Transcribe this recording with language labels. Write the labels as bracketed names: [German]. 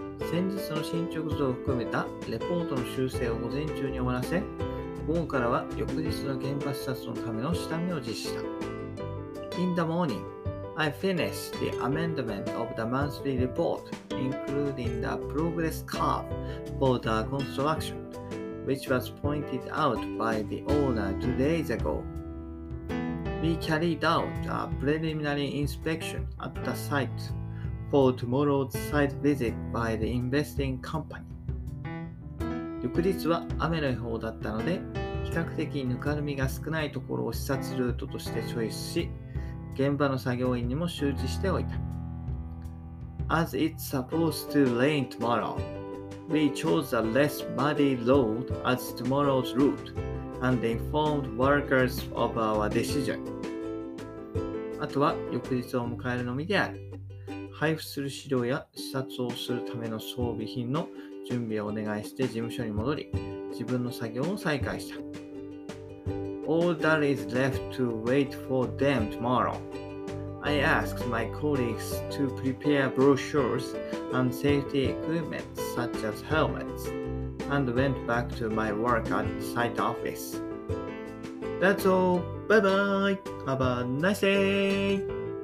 [Japanese] 先日の進捗図を含めたレポートの修正を午前中に終わらせ、午後からは翌日の現場視察のための下見を実施した。 [English] In the morning, I finished the amendment of the monthly report, including the progress curve for the construction. Which was pointed out by the owner 2 days ago. We carried out a preliminary inspection at the site for tomorrow's site visit by the investing company. [Japanese] 翌日は雨の予報だったので、比較的ぬかるみが少ないところを視察ルートとしてチョイスし、現場の作業員にも周知しておいた。 [English] As it's supposed to rain tomorrow. We chose a less muddy road as tomorrow's route and informed workers of our decision. [Japanese] あとは翌日を迎えるのみである。配布する資料や視察をするための装備品の準備をお願いして事務所に戻り、自分の作業を再開した。 [English] All that is left to wait for them tomorrow. I asked my colleagues to prepare brochures and safety equipment such as helmets and went back to my work at the site office. That's all. Bye bye. Have a nice day.